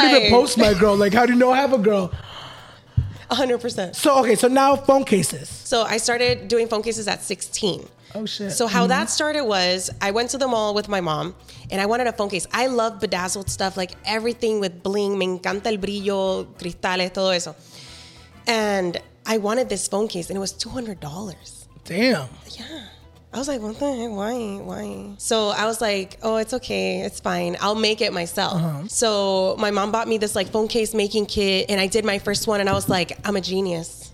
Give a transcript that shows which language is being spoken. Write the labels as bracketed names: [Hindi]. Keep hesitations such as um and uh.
[English] don't even like- post my girl. Like, how do you know I have a girl? 100%. So okay, so now phone cases. So I started doing phone cases at 16. Oh, shit. So how that started was I went to the mall with my mom and I wanted a phone case. I love bedazzled stuff, like everything with bling. [Spanish] Me encanta el brillo, cristales, todo eso. [English] And I wanted this phone case and it was two hundred dollars. Damn. Yeah. I was like, what the heck? Why? Why? So I was like, oh, it's okay. It's fine. I'll make it myself. So my mom bought me this like phone case making kit and I did my first one and I was like, I'm a genius.